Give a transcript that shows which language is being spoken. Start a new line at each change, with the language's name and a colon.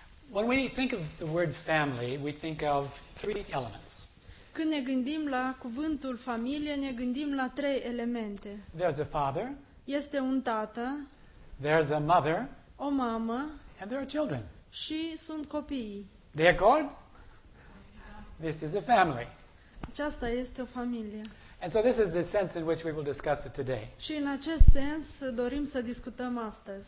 English: When we think of the word family, we think of three elements.
Romanian: Când ne gândim la cuvântul familie, ne gândim la trei elemente.
English: There's a father.
Romanian: Este un tată.
English: There's a mother.
Romanian: O mamă.
English: And there are children.
Romanian: Și sunt copii. De acord?
English: This is a family.
Romanian: Aceasta este o familie.
English: And so this is the sense in which we will discuss it today.
Romanian: Și în acest sens dorim să discutăm astăzi.